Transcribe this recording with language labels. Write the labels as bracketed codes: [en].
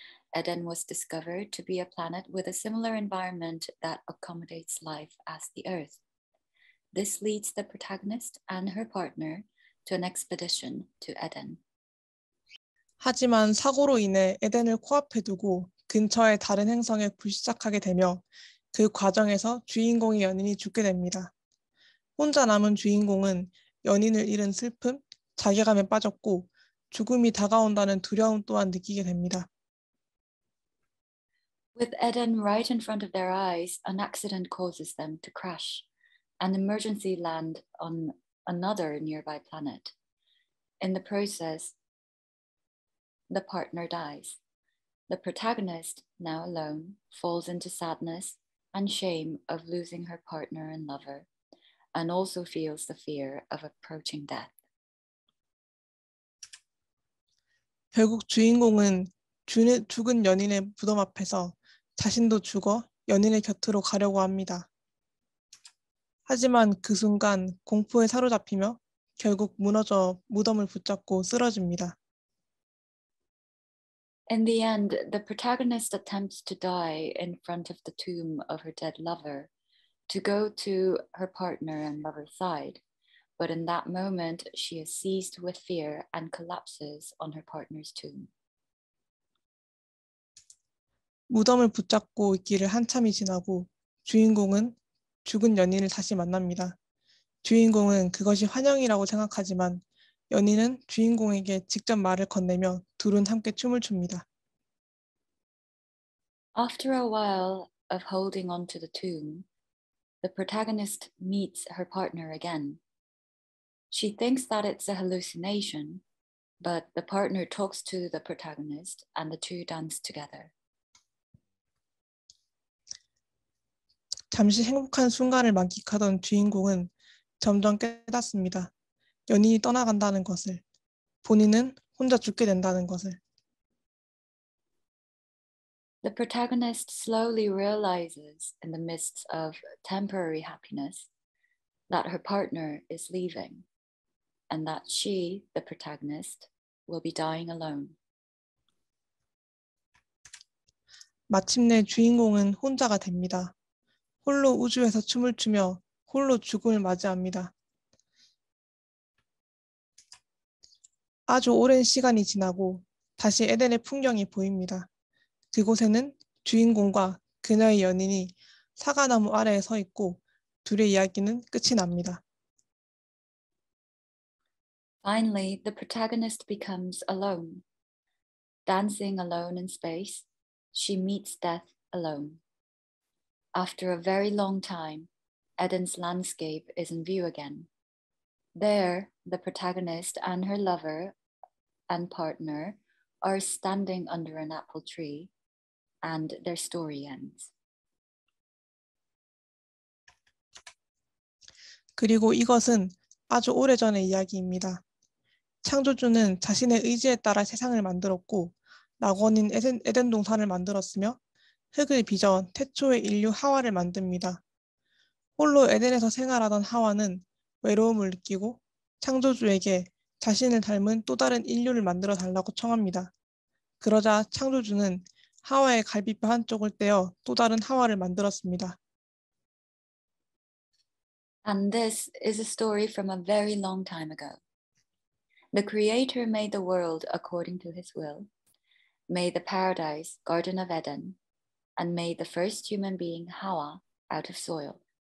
[en] Eden was discovered to be a planet with a similar environment that accommodates life as the Earth. This leads the protagonist and her partner to an expedition to Eden. [ko] 하지만 사고로 인해 에덴을 코앞에 두고 근처의 다른 행성에 불시착하게 되며 그 과정에서 주인공의 연인이 죽게 됩니다. 혼자 남은 주인공은 연인을 잃은 슬픔, 자괴감에 빠졌고 죽음이 다가온다는 두려움 또한 느끼게 됩니다. [en] With Eden right in front of their eyes, an accident causes them to crash. An emergency land on another nearby planet. In the process, the partner dies. The protagonist, now alone, falls into sadness and shame of losing her partner and lover, and also feels the fear of approaching death. [ko] 결국 주인공은 죽은 연인의 무덤 앞에서 자신도 죽어 연인의 곁으로 가려고 합니다. 하지만 그 순간 공포에 사로잡히며 결국 무너져 무덤을 붙잡고 쓰러집니다. [en] In the end, the protagonist attempts to die in front of the tomb of her dead lover, to go to her partner and lover's side. But in that moment, she is seized with fear and collapses on her partner's tomb. [ko] 무덤을 붙잡고 있기를 한참이 지나고 주인공은 죽은 연인을 다시 만납니다. 주인공은 그것이 환영이라고 생각하지만 연인은 주인공에게 직접 말을 건네며 둘은 함께 춤을 춥니다. [en] After a while of holding on to the tomb, the protagonist meets her partner again. She thinks that it's a hallucination, but the partner talks to the protagonist and the two dance together. [ko] 잠시 행복한 순간을 만끽하던 주인공은 점점 깨닫습니다. 연인이 떠나간다는 것을, 본인은 혼자 죽게 된다는 것을. [en] The protagonist slowly realizes in the midst of temporary happiness that her partner is leaving and that she, the protagonist, will be dying alone. [ko] 마침내 주인공은 혼자가 됩니다. 홀로 우주에서 춤을 추며 홀로 죽음을 맞이합니다. 아주 오랜 시간이 지나고 다시 에덴의 풍경이 보입니다. 그곳에는 주인공과 그녀의 연인이 사과나무 아래에 서 있고 둘의 이야기는 끝이 납니다. [en] Finally, the protagonist becomes alone. Dancing alone in space, she meets death alone. After a very long time, Eden's landscape is in view again. There, the protagonist and her lover and partner are standing under an apple tree, and their story ends. [ko] 그리고 이것은 아주 오래전의 이야기입니다. 창조주는 자신의 의지에 따라 세상을 만들었고, 낙원인 에덴 동산을 만들었으며, 흙을 빚어 태초의 인류 하와를 만듭니다. 홀로 에덴에서 생활하던 하와는 외로움을 느끼고 창조주에게 자신을 닮은 또 다른 인류를 만들어 달라고 청합니다. 그러자 창조주는 하와의 갈비뼈 한쪽을 떼어 또 다른 하와를 만들었습니다. [en] And this is a story from a very long time ago. The creator made the world according to his will, made the paradise, Garden of Eden, and made the first human being, HAWWAH, out of soil.